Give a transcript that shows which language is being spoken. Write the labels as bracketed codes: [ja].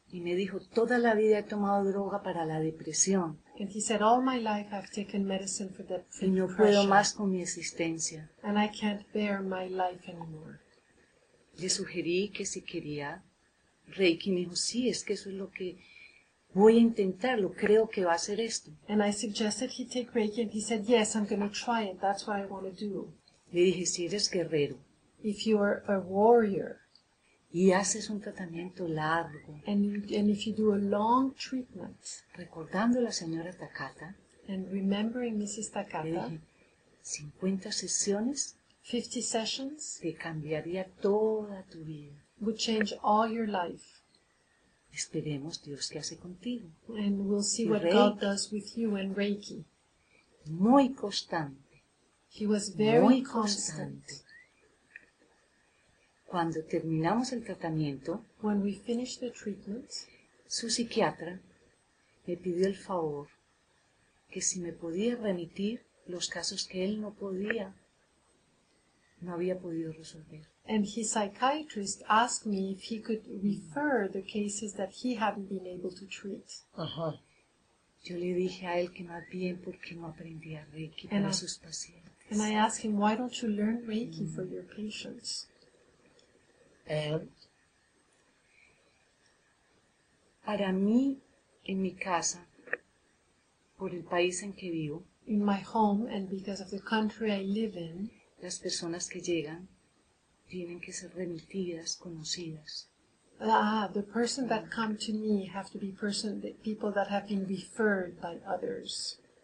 [es] Y me dijo, toda la vida he tomado droga para la depresión. [en] And he said, all my life I've taken medicine for that depression. [es] Y no puedo más con mi existencia. [en] And I can't bear my life anymore. [es] Le sugerí que si quería Reiki, me dijo, sí, es que eso es lo que voy a intentarlo, creo que va a ser esto. [en] And I suggested he take Reiki, and he said, yes, I'm going to try it, that's what I want to do. [es] Le dije, si eres guerrero. [en] If you are a warrior. [es] Y haces un tratamiento largo. [en] And if you do a long treatment. [es] Recordando a la señora Takata. [en] And remembering Mrs. Takata. [es] Le dije, 50 sesiones. [en] 50 sessions. [es] Te cambiaría toda tu vida. [en] Would change all your life. [es] Esperemos Dios que hace contigo. [en] And we'll see what Reiki. God does with you and Reiki. [es] Muy constante. [en] He was very Muy constant. Constant. [es] Cuando terminamos el tratamiento, [en] when we finished the treatment, [es] su psiquiatra me pidió el favor que si me podía remitir los casos que él no había podido resolver. [en] And his psychiatrist asked me if he could refer the cases that he hadn't been able to treat. [es] Yo le dije a él que más bien porque no aprendía Reiki para sus pacientes. [en] And I asked him, why don't you learn Reiki for your patients? And [es] para mí, en mi casa, por el país en que vivo, [en] in my home and because of the country I live in, [es] las personas que llegan tienen que ser remitidas, conocidas. [en] The person that come to me have to be person the people that have been referred by others.